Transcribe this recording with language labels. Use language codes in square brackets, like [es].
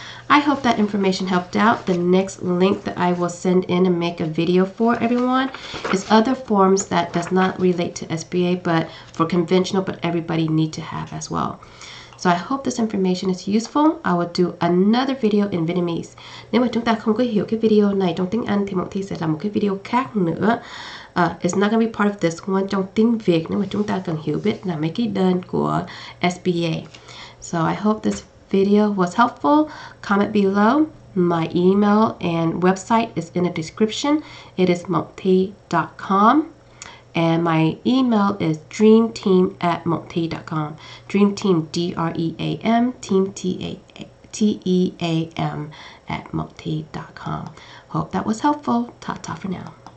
[en] I hope that information helped out. The next link that I will send in and make a video for everyone is other forms that does not relate to SBA, but for conventional, but everybody need to have as well. So I hope this information is useful. I will do another video in Vietnamese. [vi] Nếu mà chúng ta không có hiểu cái video này trong tiếng Anh thì Mộng Thi sẽ làm một cái video khác nữa. [en] It's not going to be part of this one [vi] trong tiếng Việt. Nếu mà chúng ta cần hiểu biết là mấy cái đơn của SBA. [en] So I hope this video was helpful. Comment below. My email and website is in the description. It is mongthi.com. And my email is dreamteam@mongthi.com. Dreamteam, D-R-E-A-M, team, T-E-A-M, @mongthi.com. Hope that was helpful. Ta-ta for now.